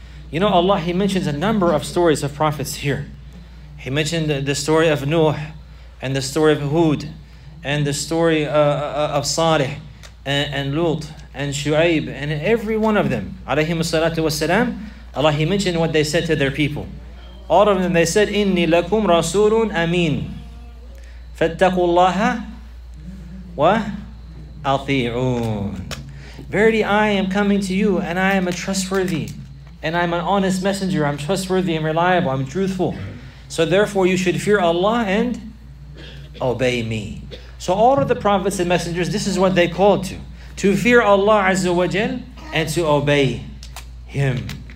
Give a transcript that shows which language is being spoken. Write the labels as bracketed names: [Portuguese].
[English] You know, Allah, He mentions a number of stories of prophets here. He mentioned the story of Nuh, and the story of Hud, and the story of Salih, and Lut, and Shu'aib, and every one of them, alayhimu salatu wassalam, Allah, He mentioned what they said to their people. All of them, they said, [Arabic] إِنِّي لَكُمْ رَسُولٌ أَمِينٌ فَاتَّقُوا اللَّهَ وَأَطِيعُونَ. [English] Verily, I am coming to you, and I am a trustworthy, and I'm an honest messenger, I'm trustworthy and reliable, I'm truthful. So therefore you should fear Allah and obey me. So all of the prophets and messengers, this is what they called to fear Allah Azza wa Jal and to obey Him.